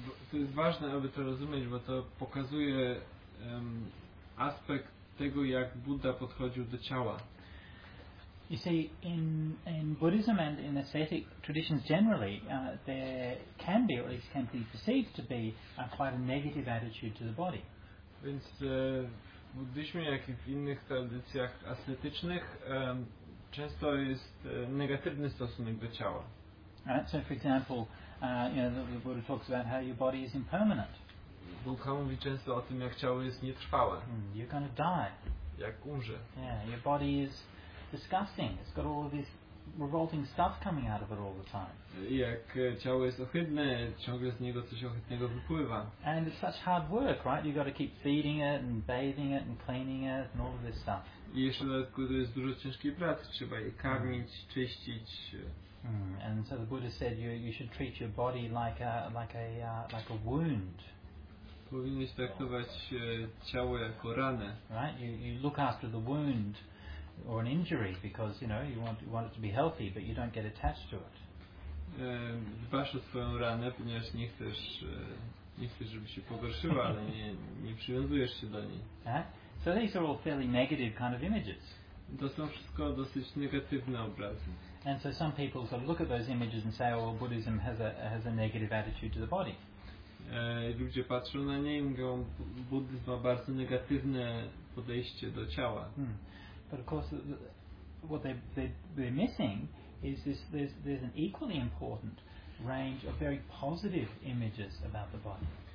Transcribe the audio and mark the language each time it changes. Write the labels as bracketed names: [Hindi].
[Polish] To jest ważne, aby to rozumieć, bo to pokazuje aspekt tego, jak Buddha podchodził do ciała. [English] You see, in Buddhism and in ascetic traditions generally, there can be, or at least can be perceived to be, quite a negative attitude to the body. [Polish] Więc w buddhizmie, jak i w innych tradycjach ascetycznych, często jest negatywny stosunek do ciała. [English] Right, so for example, the Buddha talks about how your body is impermanent. [Polish] Buddha mówi często o tym, jak ciało jest nietrwałe. [English] You're going to die. [Polish] Jak umrze. [English] Yeah, your body is disgusting. It's got all of this revolting stuff coming out of it all the time. [Polish] Jak ciało jest ohydne, ciągle z niego coś ohydnego wypływa. [English] And it's such hard work, right? You've got to keep feeding it and bathing it and cleaning it and all of this stuff. [Polish] I jeszcze dodatkowo to jest dużo ciężkiej pracy. Trzeba je karmić, czyścić. [English] And so the Buddha said you should treat your body like a wound. [Polish] Powinieneś traktować ciało jako ranę. [English] Right? You look after the wound or an injury because you want it to be healthy, but you don't get attached to it. [Polish] Dbasz o swoją ranę, ponieważ nie chcesz, żeby się pogorszyła, ale nie przywiązujesz się do niej. [English] So these are all fairly negative kind of images. [Polish] To są wszystko dosyć negatywne obrazy. [English] And so some people sort of look at those images and say, "Well, Buddhism has a negative attitude to the body." [Polish] Ludzie patrzą na nie i mówią, buddyzm ma bardzo negatywne podejście do ciała. [English] But of course, what they're missing is this: there's an equally important range of very positive images about the body.